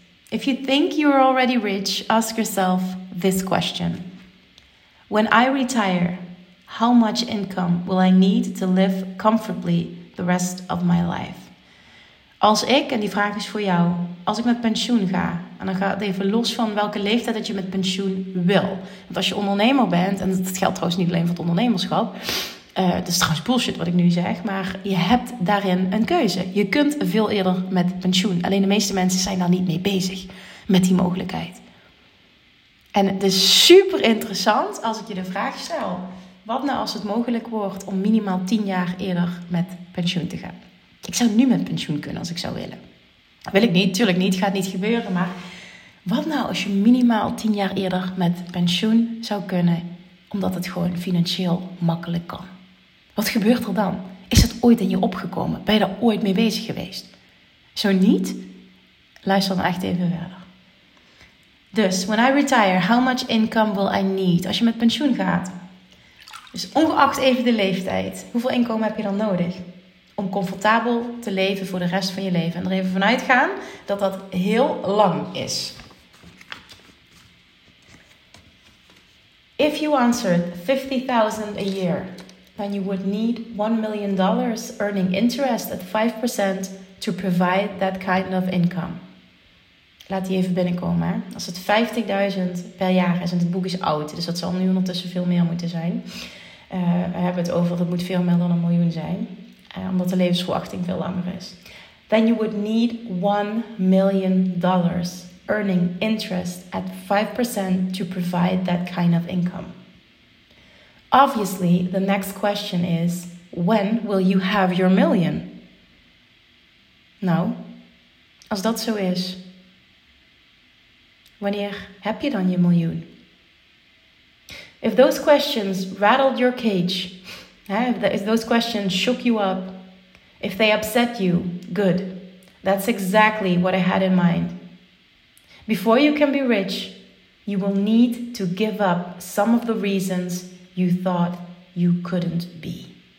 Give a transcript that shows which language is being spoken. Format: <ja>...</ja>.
<en>If you think you are already rich, ask yourself this question. When I retire, how much income will I need to live comfortably the rest of my life?</en> <nl>Als ik, en die vraag is voor jou, als ik met pensioen ga, en dan gaat het even los van welke leeftijd dat je met pensioen wil. Want als je ondernemer bent, en dat geldt trouwens niet alleen voor het ondernemerschap, dat is trouwens bullshit wat ik nu zeg, maar je hebt daarin een keuze. Je kunt veel eerder met pensioen, alleen de meeste mensen zijn daar niet mee bezig met die mogelijkheid. En het is super interessant als ik je de vraag stel, wat nou als het mogelijk wordt om minimaal 10 jaar eerder met pensioen te gaan? Ik zou nu met pensioen kunnen als ik zou willen. Wil ik niet, tuurlijk niet, gaat niet gebeuren. Maar wat nou als je minimaal 10 jaar eerder met pensioen zou kunnen, omdat het gewoon financieel makkelijk kan? Wat gebeurt er dan? Is dat ooit in je opgekomen? Ben je daar ooit mee bezig geweest? Zo niet? Luister dan echt even verder.</nl> <en>Dus, when I retire, how much income will I need?</en> <nl>Als je met pensioen gaat, dus ongeacht even de leeftijd, hoeveel inkomen heb je dan nodig om comfortabel te leven voor de rest van je leven? En er even vanuit gaan dat dat heel lang is.</nl> <en>If you answered 50,000 a year, then you would need $1 million earning interest at 5% to provide that kind of income.</en> <nl>Laat die even binnenkomen. Hè? Als het 50.000 per jaar is, en het boek is oud, dus dat zal nu ondertussen veel meer moeten zijn. We hebben het over, het moet veel meer dan 1 miljoen zijn. Omdat de levensverwachting veel langer is.</nl> <en>Then you would need $1 million earning interest at 5% to provide that kind of income. Obviously, the next question is, when will you have your million?</en> <nl>Nou, als dat zo is, wanneer heb je dan je miljoen?</nl> <en>If those questions rattled your cage, if those questions shook you up, if they upset you, good. That's exactly what I had in mind. Before you can be rich, you will need to give up some of the reasons you thought you couldn't be.</en>